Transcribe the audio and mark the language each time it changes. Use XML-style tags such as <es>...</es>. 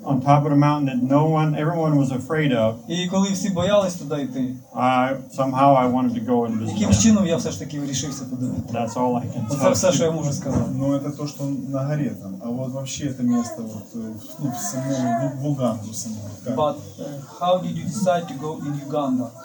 <en>on top of the mountain that everyone was afraid of.</en> <uk>І коли всі боялись туди йти.</uk> <en>Somehow I wanted to go and visit.</en> <uk>Яким чином я все ж таки вирішився туди.</uk> <en>That's all I can say.</en> <uk>Це все, що я можу сказати. Ну, це то, що на горі там. А от вообще це місце в самому в Уганді саме.</uk> <en>But how did you decide to go in Uganda?</en>